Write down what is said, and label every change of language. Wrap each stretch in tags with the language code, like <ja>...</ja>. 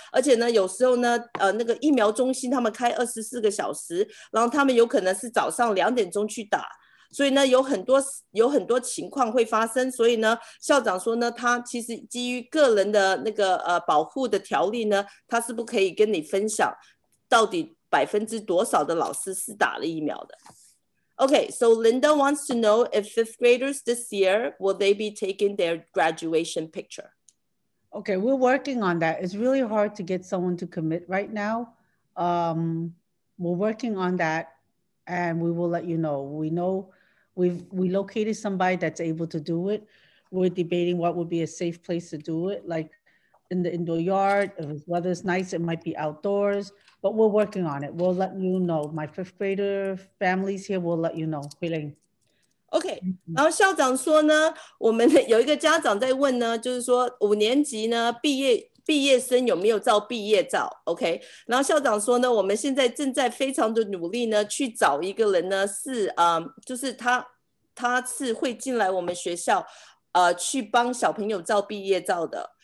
<zh>而且呢有时候呢那个疫苗中心他们开24个小时，然后他们有可能是早上2点钟去打，所以呢有很多情况会发生。所以呢校长说呢，他其实基于个人的那个保护的条例呢，他是不可以跟你分享到底百分之多少的老师是打了疫苗的。</zh> <en>OK， so Linda wants to know if fifth graders this year will they be taking their graduation picture。 Okay, we're working on that. It's really hard to get someone to commit right now. We're working on that and we will let you know. We know we located somebody that's able to do it. We're debating what would be a safe place to do it, like in the indoor yard. If the weather's nice, it might be outdoors, but we're working on it. We'll let you know. My fifth grader families here will let you know. Huilin.</en> <zh>OK， 然后校长说呢，我们有一个家长在问呢，就是说五年级呢毕业生有没有照毕业照 ？OK， 然后校长说呢，我们现在正在非常的努力呢，去找一个人呢，是就是他是会进来我们学校，去帮小朋友照毕业照的。</zh>